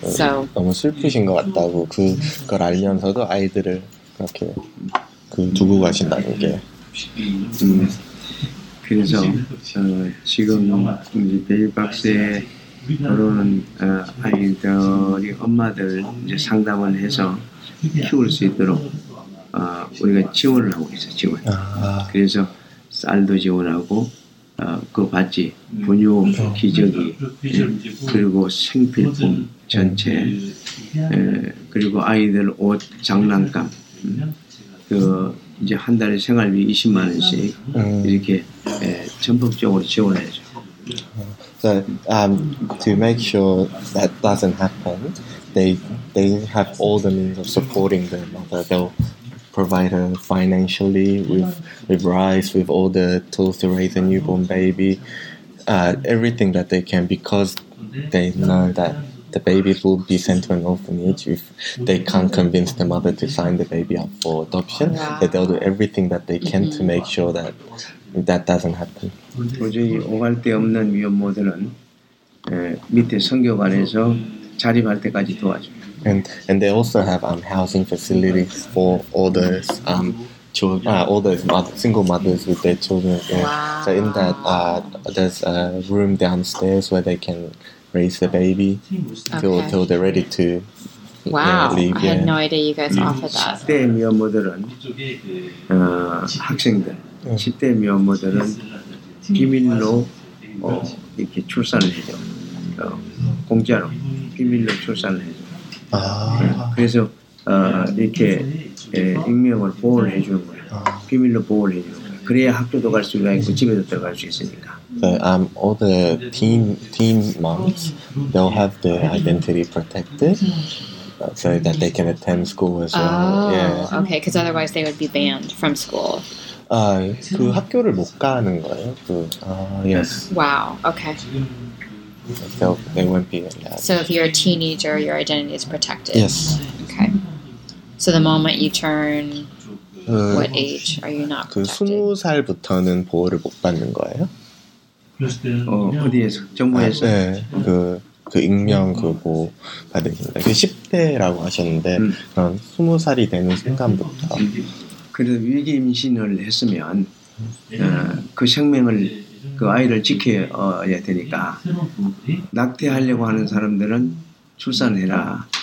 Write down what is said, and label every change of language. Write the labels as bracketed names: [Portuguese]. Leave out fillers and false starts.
[English] So [Korean] 너무 슬프신 것 같다고 그걸 알면서도 아이들을 그렇게 그 두고 가신다는 게. 그래서 지금 이제 베이박스에 결혼한 아이들이 엄마들 이제 상담을 해서 키울 수 있도록. 우리가 지원을 하고 있어 지원. 그래서 쌀도 지원하고 그 받지 분유 기저귀 그리고 생필품 전체 그리고 아이들 옷 장난감 그 이제 한 달에 생활비 20만 원씩 이렇게 전폭적으로 지원해 줘. [English] So to make sure that doesn't happen, they have all the means of supporting their mother. Provide her financially with rice, with all the tools to raise a newborn baby, everything that they can, because they know that the baby will be sent to an orphanage. If they can't convince the mother to sign the baby up for adoption, that they'll do everything that they can to make sure that that doesn't happen. [Korean] 도저히 오갈 데 없는 미혼모들은 밑에 선교관에서 자립할 때까지 도와줘. [English] And they also have housing facilities for all those all the single mothers with their children. Yeah. Wow. So in that, there's a room downstairs where they can raise the baby till they're ready to leave. Wow, I had no idea you guys offered that. [Korean] 10대 미혼모들은 학생들, 10대 미혼모들은 비밀로 이렇게 출산을 해줘. 공짜로 비밀로 출산을 해줘. 아. 그래서 이렇게 익명을 보호를 해주는 거예요. 비밀로 보호를 해주는 거예요. 그래야 학교도 갈 수가 있고 집에도 들어갈 수 있으니까. [English] So, all the teen moms, they'll have their identity protected so that they can attend school as well. Oh, yeah. Okay, because otherwise they would be banned from school. [Korean] 아, 그 학교를 못 가는 거예요? [English] 그, yes. Wow, okay. So, they won't be in that. So if you're a teenager, your identity is protected? Yes. Okay. So the moment you turn, what age are you not protected? [Korean] 그 스무 살부터는 보호를 못 받는 거예요? 어디에서? 정부에서? 네. 그 익명 그 보호 받으신다. 그 10대라고 하셨는데 스무 살이 되는 순간부터. 그래도 위기 임신을 했으면 그 생명을 그 아이를 지켜야 되니까 낙태하려고 하는 사람들은 출산해라.